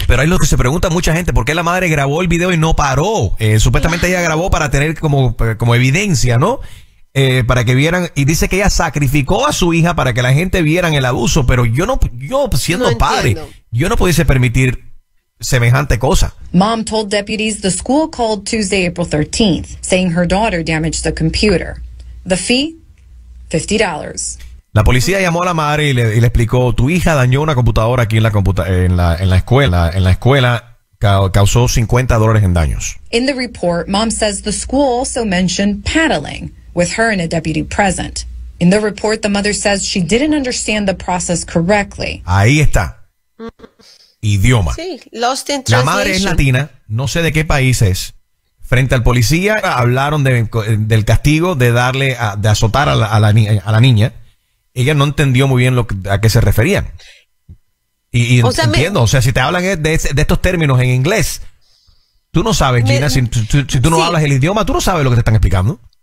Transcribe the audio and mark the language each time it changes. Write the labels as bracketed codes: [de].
[es] Pero ahí lo que se pregunta mucha gente, ¿por qué la madre grabó el video y no paró? Supuestamente ella grabó para tener como evidencia, ¿no? Para que vieran, y dice que ella sacrificó a su hija para que la gente vieran el abuso, pero yo no pudiese permitir semejante cosa. [en] Mom told deputies the school called Tuesday, April 13th, saying her daughter damaged the computer. The fee, $50. [es] La policía llamó a la madre y le explicó, tu hija dañó una computadora aquí en la escuela. Causó $50 en daños. [en] In the report, mom says the school also mentioned paddling with her and a deputy present. In the report, the mother says she didn't understand the process correctly. [es] Ahí está. Idioma. Sí, [en] lost in translation. [es] La madre es latina, no sé de qué país es. Frente al policía, hablaron del castigo de darle, de azotar a la niña. Ella no entendió muy bien a qué se referían. Y o sea, entiendo, si te hablan de estos términos en inglés, tú no sabes, Gina, si tú no hablas el idioma, tú no sabes lo que te están explicando.